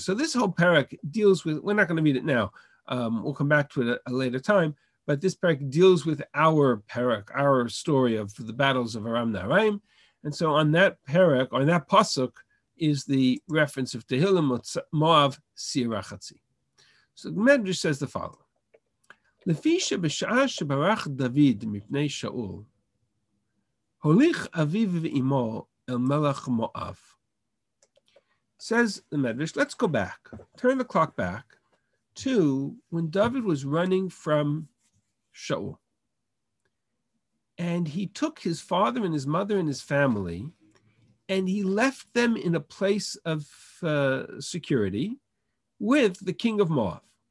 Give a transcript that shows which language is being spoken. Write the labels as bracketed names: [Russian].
[English] So this whole parak deals with, we're not going to read it now, we'll come back to it at a later time, but this parak deals with our parak, our story of the battles of Aram Naharaim. And so on that parak, or on that pasuk, is the reference of Tehillim, [Hebrew] Moav Sir Achatzi. [English] So the Medrash says the following. [Hebrew] לפי שבשעה שברח דוד מפני שאול, הוליך אביו ואמו אל מלך מואב. [English] Says the Medrash, let's go back, turn the clock back to when David was running from Shaul. And he took his father and his mother and his family, and he left them in a place of security with the king of Moab.